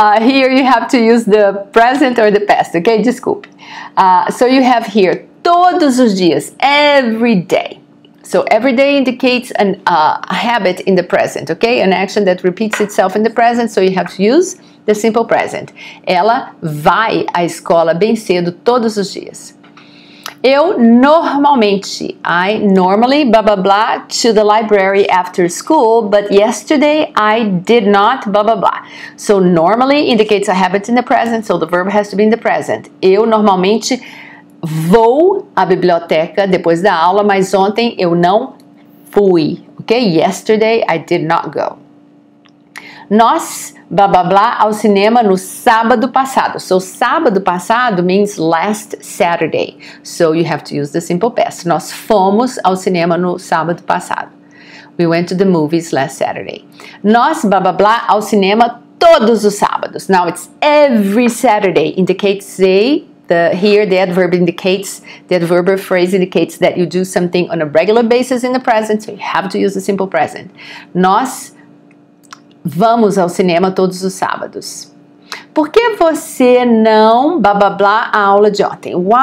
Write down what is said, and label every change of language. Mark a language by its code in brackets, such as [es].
[en] Here you have to use the present or the past, okay? Desculpe. So you have here, [pt] todos os dias, [en] every day. So every day indicates a habit in the present, okay? An action that repeats itself in the present, so you have to use the simple present. [pt] Ela vai à escola bem cedo todos os dias. Eu normalmente, [en] I normally, blah, blah, blah, to the library after school, but yesterday I did not, blah, blah, blah. So, normally indicates a habit in the present, so the verb has to be in the present. [pt] Eu normalmente vou à biblioteca depois da aula, mas ontem eu não fui, ok? [en] Yesterday I did not go. Nós, blah, blah, blah, [pt] ao cinema no sábado passado. [en] So, [pt] sábado passado [en] means last Saturday. So, you have to use the simple past. [pt] Nós fomos ao cinema no sábado passado. [en] We went to the movies last Saturday. [pt] Nós, blah, blah, blah, ao cinema todos os sábados. [en] Now, it's every Saturday. Indicates a, here the adverb indicates, the adverb or phrase indicates that you do something on a regular basis in the present. So, you have to use the simple present. [pt] Nós vamos ao cinema todos os sábados. Por que você não blá blá blá a aula de ontem?